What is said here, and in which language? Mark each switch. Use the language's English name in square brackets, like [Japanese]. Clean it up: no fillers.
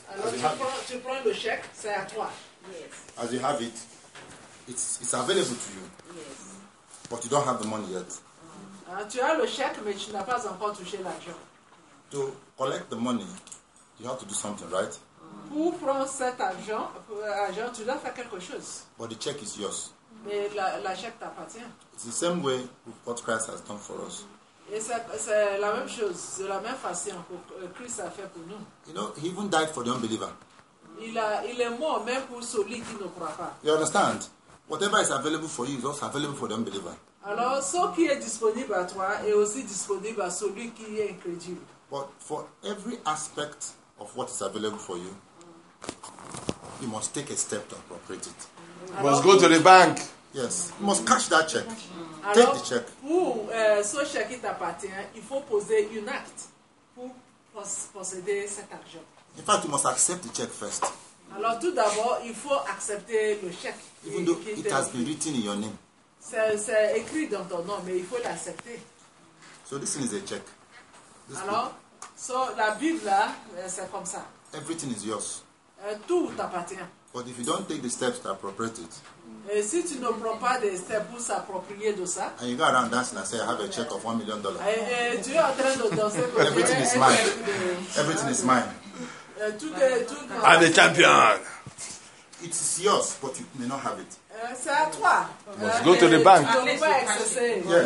[French] alors, tu prends le chèque, c'est à toi. [English] Yes. As you have it, it's available to you. Yes. But you don't have the money yet. [French] Tu as le chèque, mais tu n'as pas encore touché l'argent. [English] To collect the money, you have to do something, right? [French] Pour prendre cet argent, tu dois faire quelque chose. [English] But the check is yours. [French] Mais la chèque t'appartient. [English] It's the same way with what Christ has done for us. [French] Et c'est la même chose, c'est la même façon que Christ a fait pour nous. [English] You know, he even died for the unbeliever. [French] Il est mort même pour celui qui ne croit pas. [English] You understand? Whatever is available for you is also available for the unbeliever. [French] Alors, ce qui est disponible à toi est aussi disponible à celui qui est incrédule. [English] But for every aspect of what is available for you, you must take a step to appropriate it. You must go to the bank. Yes. You must cash that check. Take the check. [French] Pour ce chèque qui t'appartient, il faut poser un acte pour posséder cet argent. [English] In fact, you must accept the check first. [French] Alors tout d'abord, il faut accepter le chèque. [English] Even though it has been written in your name. [French] C'est écrit dans ton nom, mais il faut l'accepter. [English] So this is a check. [French] This alors, so la Bible là, c'est comme ça. [English] Everything is yours. [French] Tout t'appartient. [English] But if you don't take the steps to appropriate it, [French] et si tu ne prends pas des steps pour s'approprier de ça, [English] and you go around dancing and say, I have a check of $1 million. [French] Tu es en train de danser. [English] Everything is mine. Everything is mine. [French] Tout est, [English] I'm a champion. It's yours, but you may not have it. You must go to the bank.